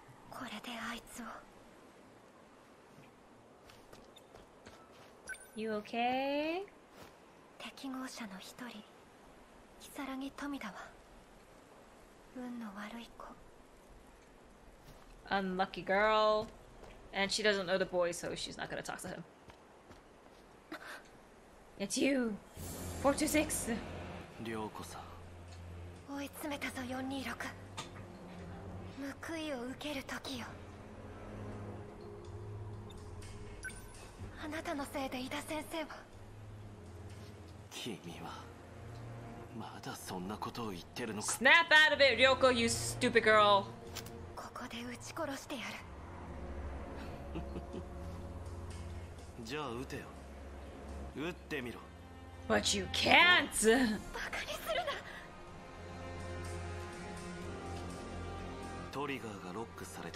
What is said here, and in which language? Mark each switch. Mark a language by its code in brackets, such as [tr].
[ja] これであいつを。 [en] You okay? [ja] 適合者の一人、如月富田は運の悪い子。 [en] Unlucky girl. And she doesn't know the boy, so she's not gonna talk to him. It's you! 426! Ryoko-san. [ja] 追い詰めたぞ、426. 報いを受ける時よ。あなたのせいで、伊田先生は。君は、まだそんなことを言ってるのか。 [en] Snap out of it, Ryoko, you stupid girl! [ja] ここで撃ち殺してやる。じゃあ撃てよ。撃ってみろ。 [en] But you can't! [ja] バカにするな。トリガーがロックされて